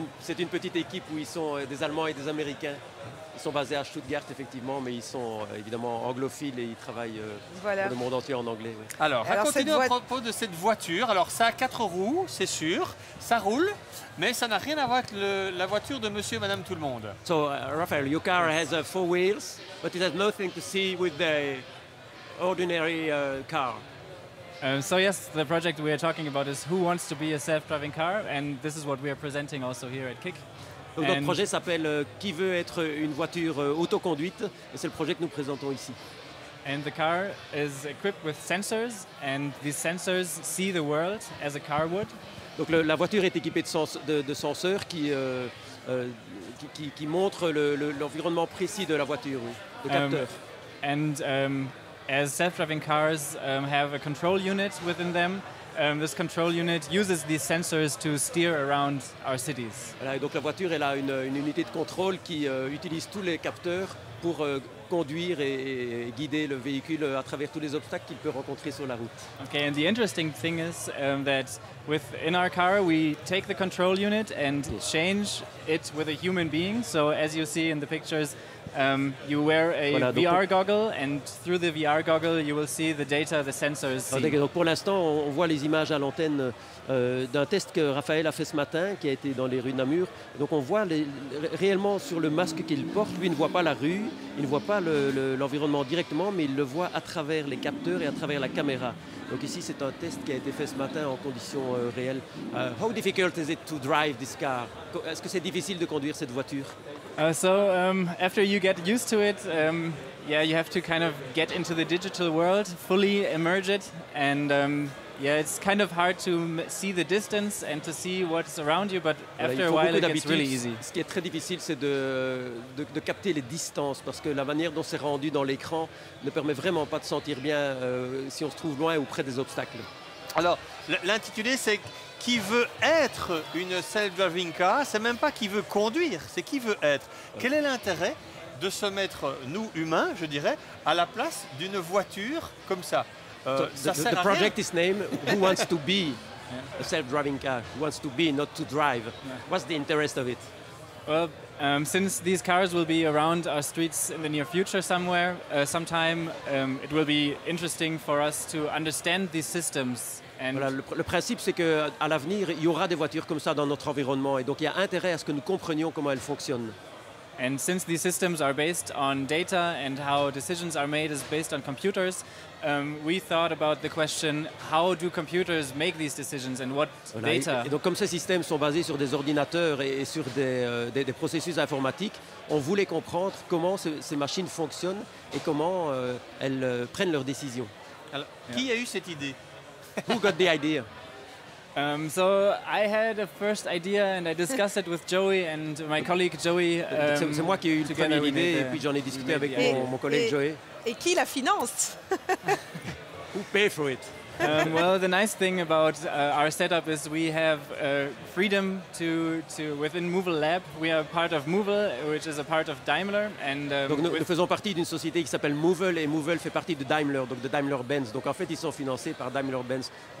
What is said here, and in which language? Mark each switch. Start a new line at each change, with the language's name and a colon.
French: C'est une petite équipe où ils sont des Allemands et des Américains. Ils sont basés à Stuttgart, effectivement, mais ils sont évidemment anglophiles et ils travaillent dans le monde entier en anglais. Oui. Alors, racontez-nous à propos de cette voiture. Alors, ça a quatre roues, c'est sûr, ça roule, mais ça n'a rien à voir avec la voiture de monsieur et madame tout le monde.
English: So, Raphael, your car has four wheels, but it has nothing to see with the ordinary car. So yes, the project we are talking about is who wants to be a self-driving car, and this is what we are presenting also here at Kick.
French: Donc notre projet s'appelle « Qui veut être une voiture autoconduite ?» et c'est le projet que nous présentons ici.
English: And the car is equipped with sensors, and these sensors see the world as a car would.
French: Donc la voiture est équipée de senseurs qui montrent l'environnement précis de la voiture, de capteurs.
English: As self-driving cars have a control unit within them, this control unit uses these sensors to steer around our cities.
French: Voilà, donc la voiture, elle a une unité de contrôle qui utilise tous les capteurs pour conduire et guider le véhicule à travers tous les obstacles qu'il peut rencontrer sur la route.
English: Okay, and the interesting thing is that within our car, we take the control unit and change it with a human being. So as you see in the pictures, you wear a VR goggle, and through the VR goggle, you will see the data the sensors see.
French: Donc pour l'instant, on voit les images à l'antenne d'un test que Raphaël a fait ce matin, qui a été dans les rues de Namur. Donc on voit réellement sur le masque qu'il porte, lui ne voit pas la rue, il ne voit pas l'environnement directement, mais il le voit à travers les capteurs et à travers la caméra. Donc ici, c'est un test qui a été fait ce matin en conditions réelles.
English: How difficult is it to drive this car?
French: Est-ce que c'est difficile de conduire cette voiture?
English: After you get used to it, you have to kind of get into the digital world, fully immerse it, and it's kind of hard to see the distance and to see what's around you, but after a while it gets really easy.
French: Ce qui est très difficile, c'est de capter les distances, parce que la manière dont c'est rendu dans l'écran ne permet vraiment pas de sentir bien si on se trouve loin ou près des obstacles. Alors, l'intitulé, c'est qui veut être une self-driving car, c'est même pas qui veut conduire, c'est qui veut être. Quel est l'intérêt de se mettre, nous humains, je dirais, à la place d'une voiture comme ça?
English: The project is named Who Wants to Be a Self-Driving Car? Who wants to be, not to drive? Yeah. What's the interest of it? Well, Since these cars will be around our streets in the near future somewhere, sometime, it will be interesting for us to understand these systems.
French: And voilà, le principe, c'est qu'à l'avenir, il y aura des voitures comme ça dans notre environnement. Et donc, il y a intérêt à ce que nous comprenions comment elles fonctionnent.
English: And since these systems are based on data and how decisions are made is based on computers, we thought about the question, how do computers make these decisions and what voilà, data?
French: Et donc, comme ces systèmes sont basés sur des ordinateurs et sur des processus informatiques, on voulait comprendre comment ces machines fonctionnent et comment elles prennent leurs décisions. Alors, yeah. Qui a eu cette idée?
English: Who got the idea? So I had a first idea and I discussed it with Joey and my colleague Joey.
French: C'est moi qui ai eu la première idée et puis j'en ai discuté avec mon collègue Joey. Et qui la finance?
English: Who pay for it? Well, the nice thing about our setup is we have freedom to within Movil Lab. We are part of Movil, which is a part of Daimler. And,
French: donc nous faisons partie d'une société qui s'appelle Movil et Movil fait partie de Daimler, donc de Daimler-Benz. Donc en fait, ils sont financés par Daimler-Benz.